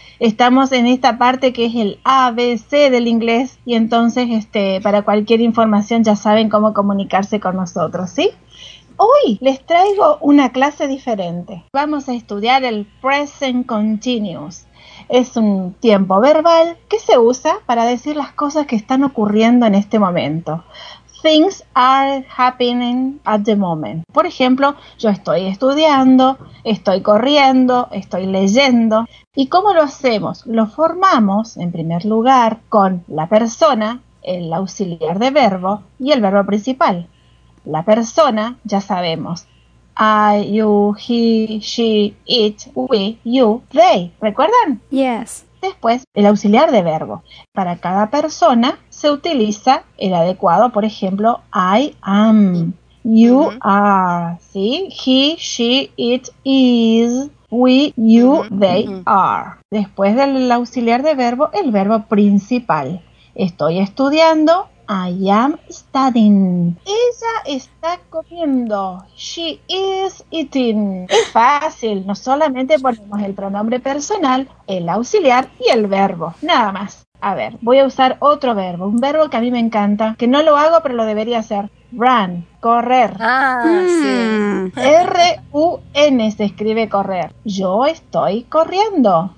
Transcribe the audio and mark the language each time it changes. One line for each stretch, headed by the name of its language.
Spanish: Estamos en esta parte que es el ABC del inglés y entonces para cualquier información ya saben cómo comunicarse con nosotros, ¿sí? Hoy les traigo una clase diferente. Vamos a estudiar el present continuous. Es un tiempo verbal que se usa para decir las cosas que están ocurriendo en este momento.
English: Things are happening at the moment.
Spanish: Por ejemplo, yo estoy estudiando, estoy corriendo, estoy leyendo. ¿Y cómo lo hacemos? Lo formamos, en primer lugar, con la persona, el auxiliar de verbo y el verbo principal. La persona, ya sabemos.
English: I, you, he, she, it, we, you, they.
Spanish: ¿Recuerdan?
English: Yes.
Spanish: Después, el auxiliar de verbo. Para cada persona se utiliza el adecuado, por ejemplo,
English: I am, you are,
Spanish: ¿sí?
English: He, she, it, is, we, you, they are.
Spanish: Después del auxiliar de verbo, el verbo principal. Estoy estudiando,
English: I am studying.
Spanish: Ella está comiendo,
English: she is eating.
Spanish: Es fácil, no solamente ponemos el pronombre personal, el auxiliar y el verbo, nada más. A ver, voy a usar otro verbo, un verbo que a mí me encanta, que no lo hago, pero lo debería hacer. Run, correr. Ah, sí. R-U-N se escribe correr. Yo estoy corriendo.